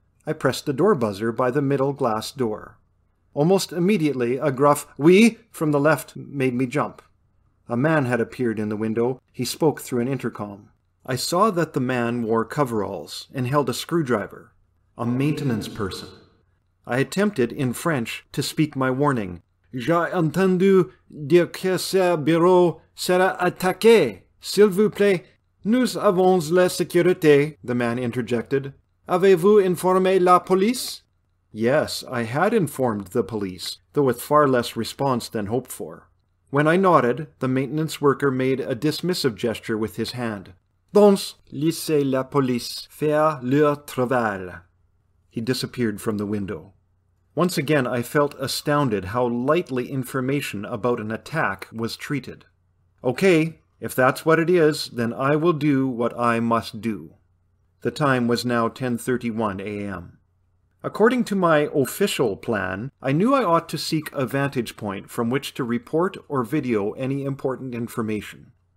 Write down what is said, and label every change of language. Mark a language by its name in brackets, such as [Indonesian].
[English] I pressed the door buzzer by the middle glass door. Almost immediately, a gruff "Oui!" from the left made me jump. A man had appeared in the window. He spoke through an intercom. I saw that the man wore coveralls and held a screwdriver. A maintenance person. I attempted, in French, to speak my warning. [French] J'ai entendu dire que ce bureau sera attaqué. S'il vous plaît, nous avons la sécurité, [English] the man interjected. [French] Avez-vous informé la police? [English] Yes, I had informed the police, though with far less response than hoped for. When I nodded, the maintenance worker made a dismissive gesture with his hand. [French] Donc, laissez la police faire leur travail. [English] He disappeared from the window. Once again, I felt astounded how lightly information about an attack was treated. Okay, if that's what it is, then I will do what I must do. The time was now 10:31 a.m. According to my official plan, I knew I ought to seek a vantage point from which to report or video any important information.